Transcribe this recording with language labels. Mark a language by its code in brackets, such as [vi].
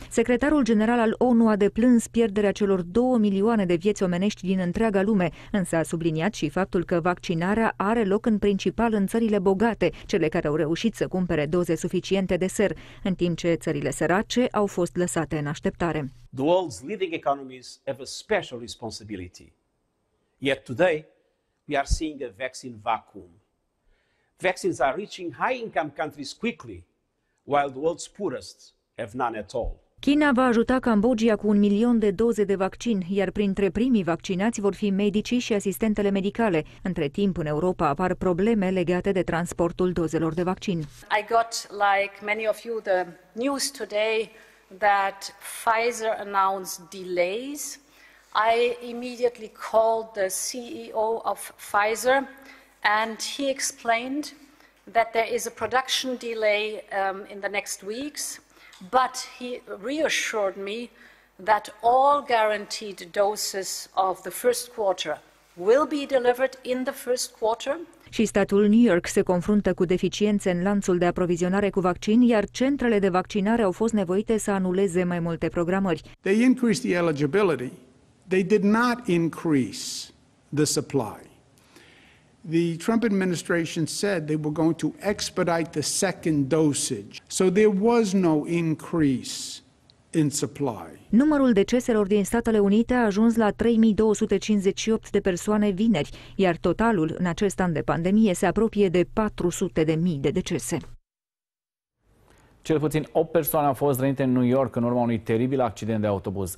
[ro] Secretarul general al ONU a deplâns pierderea celor 2 milioane de vieți omenești din întreaga lume, însă a subliniat și faptul că vaccinarea are loc în principal în țările bogate, cele care au reușit să cumpere doze suficiente de ser, în timp ce țările sărace au fost lăsate în așteptare. [en] The world's leading economies have a special responsibility. Yet today, we are seeing a vaccine vacuum. Vaccines are reaching high-income countries quickly, while the world's poorest have none at all. [ro] China va ajuta Cambodgia cu 1 milion de doze de vaccin, iar printre primii vaccinați vor fi medicii și asistentele medicale. Între timp, în Europa apar probleme legate de transportul dozelor de vaccin. [en] I got, like many of you, the news today that Pfizer announced delays. I immediately called the CEO of Pfizer and he explained that there is a production delay in the next weeks. But he reassured me that all guaranteed doses of the first quarter will be delivered in the first quarter. [ro] Și statul New York se confruntă cu deficiențe în lanțul de aprovizionare cu vaccin, iar centrele de vaccinare au fost nevoite să anuleze mai multe programări. [en] They increased the eligibility. They did not increase the supply. The Trump administration said they were going to expedite the second dosage, so there was no increase in supply. [ro] Numărul deceselor din Statele Unite a ajuns la 3258 de persoane vineri, iar totalul în acest an de pandemie se apropie de 400.000 de decese. Cel puțin 8 persoane au fost rănite în New York în urma unui teribil accident de autobuz.